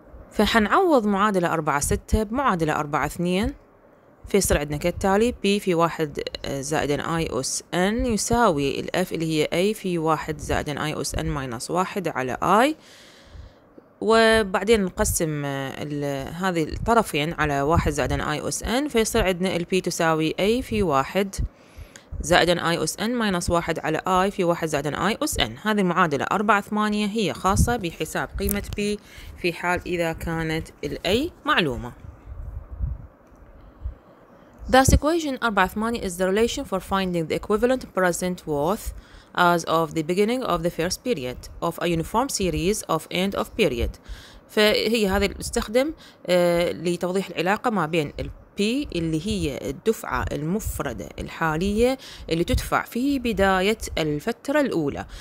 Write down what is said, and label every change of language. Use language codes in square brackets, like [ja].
[ar] فحنعوض معادلة 4-6 بمعادلة 4-2، فيصير عندنا كالتالي P في 1 زائد I أس N يساوي ال F اللي هي A في 1 زائد I أس N ماينس 1 على I، وبعدين نقسم هذه الطرفين على 1 زائد I أس N، فيصير عندنا ال P تساوي A في 1 زائد I أس N ماينس 1 على I في 1 زائد I أس N. هذه المعادلة 4-8 هي خاصة بحساب قيمة P في حال إذا كانت ال A معلومة. [en] Thus, equation 4-8 is the relation for finding the equivalent present worth as of the beginning of the first period of a uniform series of end of period. [ar] فهي هذا نستخدم لتوضيح العلاقة ما بين ال P اللي هي الدفعة المفردة الحالية اللي تدفع في بداية الفترة الأولى.